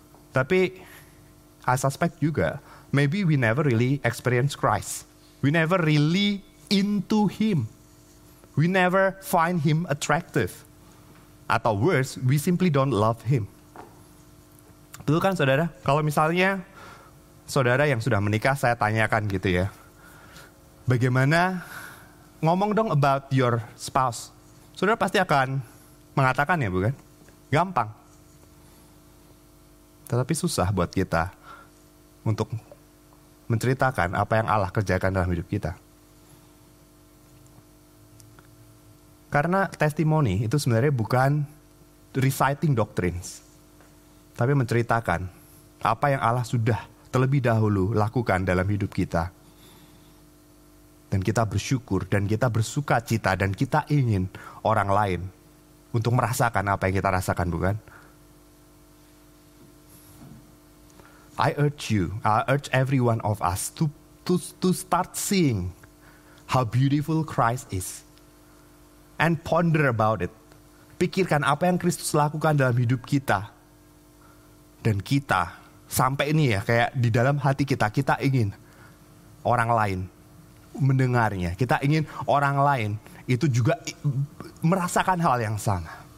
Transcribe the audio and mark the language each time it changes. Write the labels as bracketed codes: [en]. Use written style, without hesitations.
[id] Tapi [en] I suspect [id] juga, [en] maybe we never really experience Christ. We never really into him. We never find him attractive. [id] Atau [en] worse, we simply don't love him. [id] Betul kan saudara? Kalau misalnya saudara yang sudah menikah, saya tanyakan gitu ya. Bagaimana, ngomong dong [en] about your spouse. [id] Saudara pasti akan mengatakan ya bukan? Gampang. Tetapi susah buat kita untuk menceritakan apa yang Allah kerjakan dalam hidup kita. Karena testimony itu sebenarnya bukan [en] reciting doctrines, [id] tapi menceritakan apa yang Allah sudah terlebih dahulu lakukan dalam hidup kita. Dan kita bersyukur dan kita bersuka cita dan kita ingin orang lain untuk merasakan apa yang kita rasakan, bukan? [en] I urge every one of us to start seeing how beautiful Christ is and ponder about it. [id] Pikirkan apa yang Kristus lakukan dalam hidup kita. Dan kita sampai ini ya, kayak di dalam hati kita, kita ingin orang lain mendengarnya. Kita ingin orang lain itu juga merasakan hal yang sama.